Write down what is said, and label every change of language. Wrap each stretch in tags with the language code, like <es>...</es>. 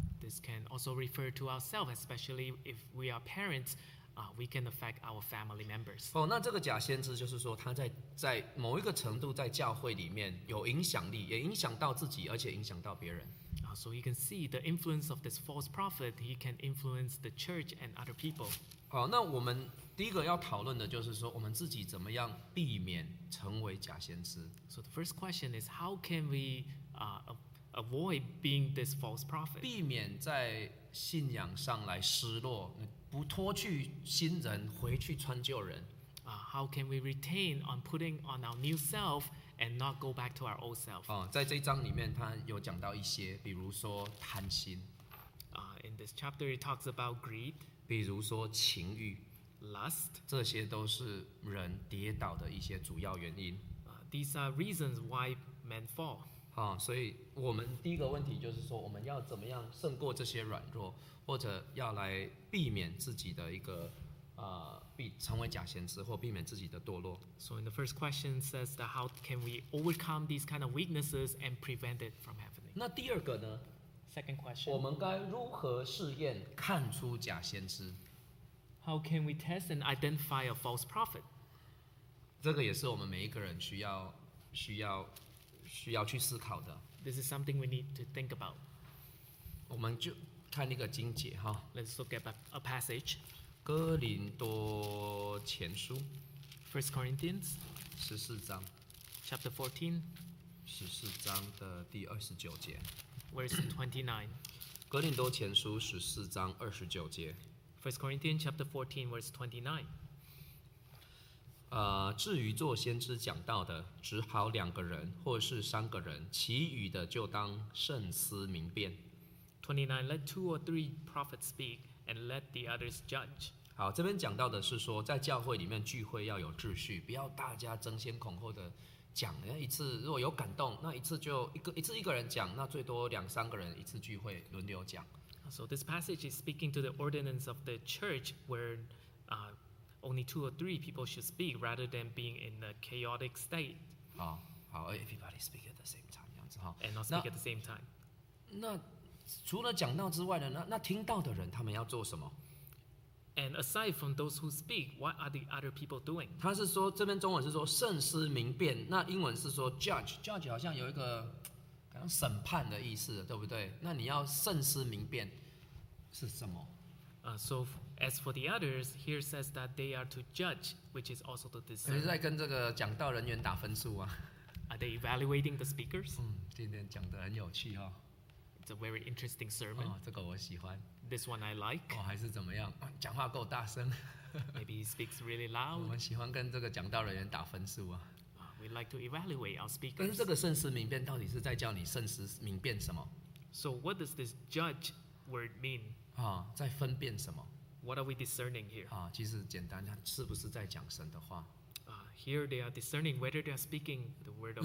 <en>This can also refer to ourselves, especially if we are parents, we can affect our family members.</en> <zh>那这个假先知就是说, 他在某一个程度在教会里面有影响力, 也影响到自己, 而且影响到别人。</zh> <en>So you can see the influence of this false prophet, he can influence the church and other people.</en> <zh>那我们, 第一个要讨论的就是说, 我们自己怎么样避免成为假先知。</zh> <en>So the first question is, how can we avoid being this false prophet?</en> <zh>避免在信仰上来失落, 不脱去新人，回去穿旧人。</zh> <en>How can we retain on putting on our new self and not go back to our old self?</en> <zh>在这一章里面，他有讲到一些，比如说贪心。</zh> <en>In this chapter, he talks about greed.</en> <zh>比如说情欲</zh> <en>，lust.</en> <zh>这些都是人跌倒的一些主要原因。</zh> <en>These are reasons why men fall.</en> <zh>所以我们第一个问题就是说，我们要怎么样胜过这些软弱，或者要来避免自己的一个成为假先知，或避免自己的堕落。</zh> <en>So in the first question says that how can we overcome these kind of weaknesses and prevent it from happening?</en> <zh>那第二个呢</zh> <en>？Second question.</en> <zh>我们该如何试验看出假先知</zh> <en>？How can we test and identify a false prophet?</en> <zh>这个也是我们每一个人需要去思考的。</zh> <en>This is something we need to think about.</en> <zh>我们就看一个经节哈。</zh> <en>Let's look at a passage.</en> <zh>哥林多前书</zh> <en>First Corinthians</en> <zh>十四章</zh> <en>Chapter 14</en> <zh>十四章的第二十九节</zh> <en>Verse</en> <zh>29哥林多前书十四章二十九节</zh> <en>First Corinthians chapter 14 verse 29</en> <zh>至于做先知讲道的只好两个人或是三个人其余的就当慎思明辨</zh> <en>29 let two or three prophets speakAnd let the others judge.</en> <zh>好，这边讲到的是说，在教会里面聚会要有秩序，不要大家争先恐后的讲。那一次如果有感动，那一次就一次一个人讲，那最多两三个人一次聚会轮流讲。</zh> <en>So this passage is speaking to the ordinance of the church, where only two or three people should speak, rather than being in a chaotic state. 好 ，everybody speak at the same time,</en> <zh>这样子哈。</zh> <en>And not speak at the same time.</en> <zh>那除了讲道之外的 那听到的人他们要做什么</zh> <en>And aside from those who speak, what are the other people doing?</en> <zh>他是说这边中文是说慎思明辨那英文是说 judge, judge 好像有一个好像审判的意思对不对那你要慎思明辨是什么</zh> <en>So as for the others, here says that they are to judge, which is also to discern.</en> <zh>你是在跟这个讲道人员打分数啊</zh> <en>Are they evaluating the speakers?</en> <zh>今天讲得很有趣哦</zh> <en>It's a very interesting sermon.</en> <zh>这个我喜欢。</zh> <en>This one I like.</en> <zh>还是怎么样？讲话够大声。</zh> <en>Maybe he speaks really loud.</en> <zh>我们喜欢跟这个讲道人员打分数啊。</zh> <en>We like to evaluate our speakers.</en> <zh>但是这个慎思明辨到底是在叫你慎思明辨什么</zh> <en>？So what does this judge word mean?</en> <zh>在分辨什么</zh> <en>？What are we discerning here?</en> <zh>其实简单，他是不是在讲神的话？</zh> <en>Here they are discerning whether they are speaking the word of</en>